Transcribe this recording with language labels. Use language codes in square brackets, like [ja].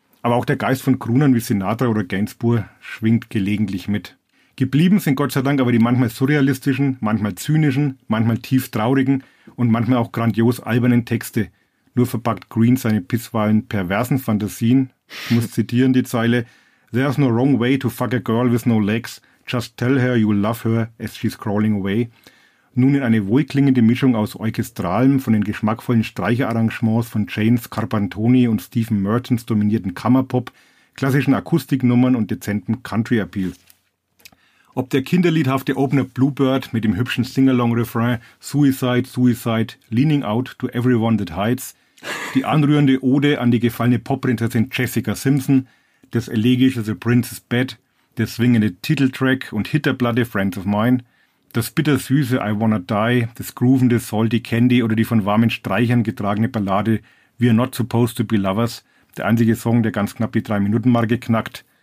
[de] Aber auch der Geist von Croonern wie Sinatra oder Gainsbourg schwingt gelegentlich mit. Geblieben sind Gott sei Dank aber die manchmal surrealistischen, manchmal zynischen, manchmal tief traurigen und manchmal auch grandios albernen Texte. Nur verpackt Green seine bisweilen perversen Fantasien. Ich muss zitieren die Zeile. [en] There's no wrong way to fuck a girl with no legs. Just tell her you love her as she's crawling away. [de] Nun in eine wohlklingende Mischung aus Orchestralem, von den geschmackvollen Streicherarrangements von James Carpantoni und Stephen Mertens dominierten Kammerpop, klassischen Akustiknummern und dezentem Country-Appeal. Ob der kinderliedhafte Opener Bluebird mit dem hübschen Singalong-Refrain Suicide, Suicide, Leaning Out to Everyone That Hides, die anrührende Ode an die gefallene Popprinzessin Jessica Simpson, das elegische The Prince's Bed, der swingende Titeltrack und Hit der Platte Friends of Mine, das bittersüße I Wanna Die, das groovende Salty Candy oder die von warmen Streichern getragene Ballade We Are Not Supposed to Be Lovers, der einzige Song, der ganz knapp die 3-Minuten-Marke knackt.